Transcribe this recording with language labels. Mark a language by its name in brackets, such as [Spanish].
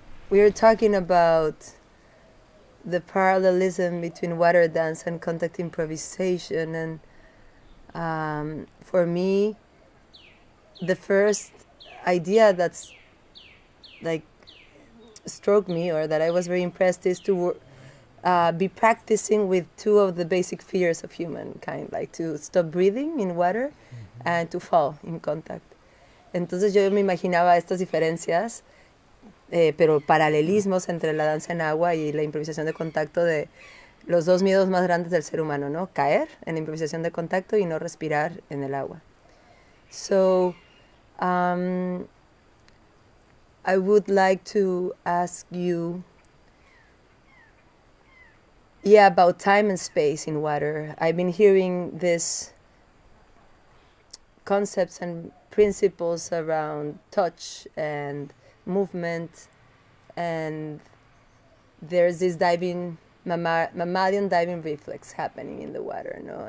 [English] We were talking about the parallelism between water dance and contact improvisation, and for me, the first idea that's like struck me, or that I was very impressed, is to be practicing with two of the basic fears of humankind, like to stop breathing in water and to fall in contact. [Spanish] Entonces yo me imaginaba estas diferencias, pero paralelismos entre la danza en agua y la improvisación de contacto, de los dos miedos más grandes del ser humano, ¿no? Caer en la improvisación de contacto y no respirar en el agua. [English] So, I would like to ask you, yeah, about time and space in water. I've been hearing this concepts and principles around touch and movement, and there's this diving, mammalian diving reflex happening in the water, no?